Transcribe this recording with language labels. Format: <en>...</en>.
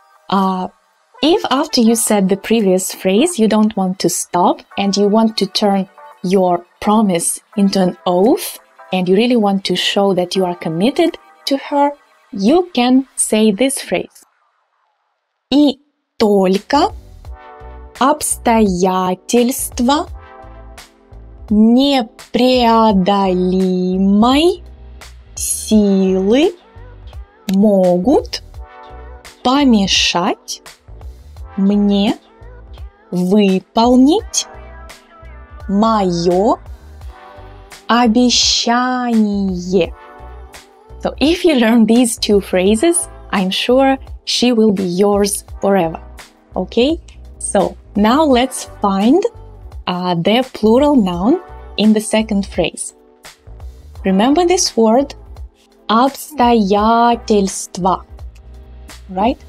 <en>If after you said the previous phrase, you don't want to stop and you want to turn your promise into an oath and you really want to show that you are committed to her, you can say this phrase.</en> <ru>И только обстоятельства непреодолимой силы могут помешать мне выполнить мое обещание.</ru> <en>So if you learn these two phrases, I'm sure she will be yours forever. Okay? So now let's find the plural noun in the second phrase. Remember this word, обстоятельства. Right?</en>